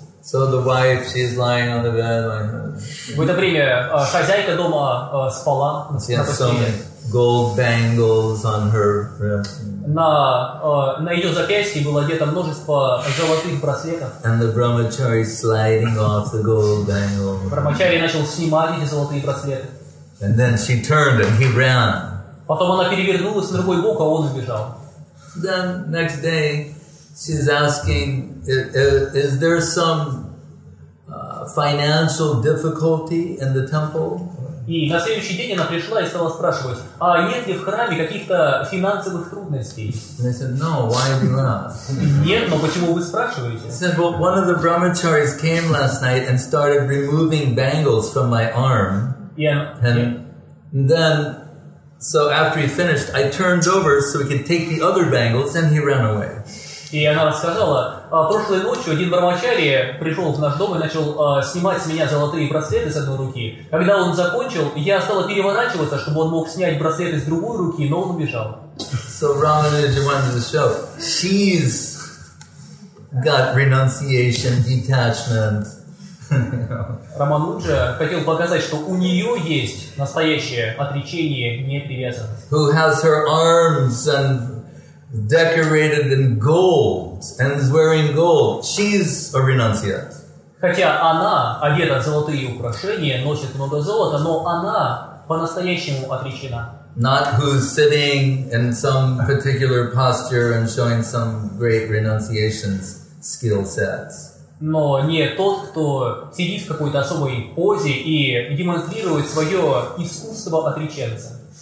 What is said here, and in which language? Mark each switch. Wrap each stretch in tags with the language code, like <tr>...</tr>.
<en>So the wife, she's lying on the bed, like...</en> <ru>В это время хозяйка дома спала.</ru> <en>She has so many gold bangles on her wrist.</en> <ru>На ее запястье было одето множество золотых браслетов.</ru> <en>And the brahmachari sliding off the gold bangles.</en> <ru>Брахмачари начал снимать эти золотые браслеты.</ru> <en>And then she turned and he ran.</en> <ru>Потом она перевернулась на другой бок, а он убежал.</ru> <en>Then next day, she's asking, is there some financial difficulty in the temple?</en> <ru>И на следующий день она пришла и стала спрашивать, а нет ли в храме каких-то финансовых трудностей?</ru> <en>And I said, no, why do you ask?</en> <ru>Нет, но почему вы спрашиваете?</ru> <en>She said, well, one of the brahmacharis came last night and started removing bangles from my arm. Yeah. And yeah. Then... So after he finished, I turned over so he could take the other bangles, and he ran away.</en> <ru>И она сказала, прошлой ночью один брахмачари пришел в наш дом и начал снимать с меня золотые браслеты с одной руки. Когда он закончил, я стала переворачиваться, чтобы он мог снять браслеты с другой руки, но он убежал.</ru> <en>So Ramanuja went to the show. She's got renunciation, detachment.</en> <ru>Рамануджа хотел показать, что у нее есть настоящее отречение, непривязанность.</ru> <en>Who has her arms and decorated in gold and is wearing gold? She's a renunciate.</en> <ru>Хотя она одета в золотые украшения, носит много золота, но она по-настоящему отречена.</ru> <en>Not who's sitting in some particular posture and showing some great renunciation skill sets.</en> <ru>Но не тот, кто сидит в какой-то особой позе и демонстрирует свое искусство отреченца.</ru>